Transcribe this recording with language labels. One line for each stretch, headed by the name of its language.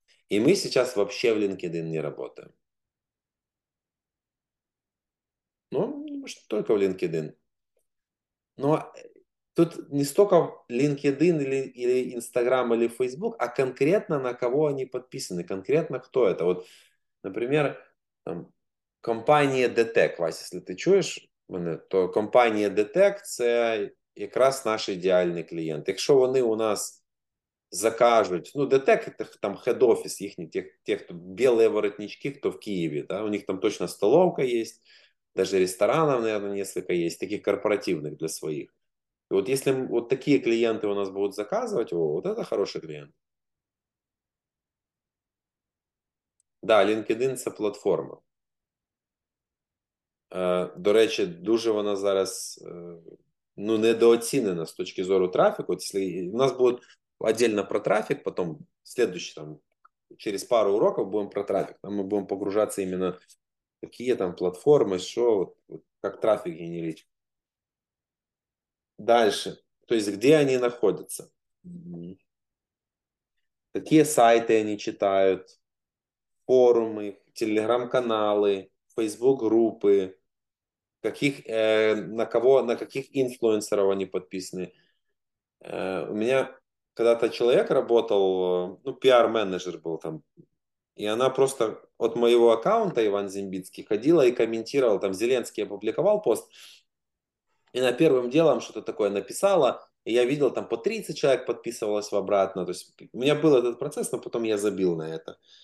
Russian: И мы сейчас вообще в LinkedIn не работаем. Ну, может, только в LinkedIn. Но тут не столько LinkedIn или Instagram или Facebook, а конкретно на кого они подписаны, конкретно кто это. Вот, например, там, компания DTEC, Вася, если ты чуешь, то
Ukrainian: компанія Детекція якраз наш ідеальний клієнт. Якщо вони у нас закажуть, ну, Детек це там хед-офіс їхній, тих, хто білі воротнички, хто в Києві, да? У них там точно столовка є, навіть ресторанів, мабуть, кілька є, таких корпоративних для своїх. І от якщо от такі клієнти у нас будуть заказувати, о, от це хороший клієнт. Да, LinkedIn – це платформа. До речі, дуже вона зараз ну, недооцінена з точки зору трафіку. От, якщо, у нас буде віддельно про трафік, потім слідуючий, там, через пару уроків будемо про трафік. Там ми будемо погружатися іменно які там платформи, що, як трафік генерити. Далі. Тобто, де вони знаходяться? Які сайти вони читають? Форуми, телеграм-канали, фейсбук-групи.
Russian: Каких, на кого, на каких инфлюенсеров они подписаны. У меня когда-то человек работал, ну, пиар-менеджер был там, и она просто от моего аккаунта, Иван Зимбицкий, ходила и комментировала, там, Зеленский опубликовал пост, и на первым делом что-то такое написала, и я видел, там, по 30 человек подписывалось в обратно, то есть у меня был этот процесс, но потом я забил на это.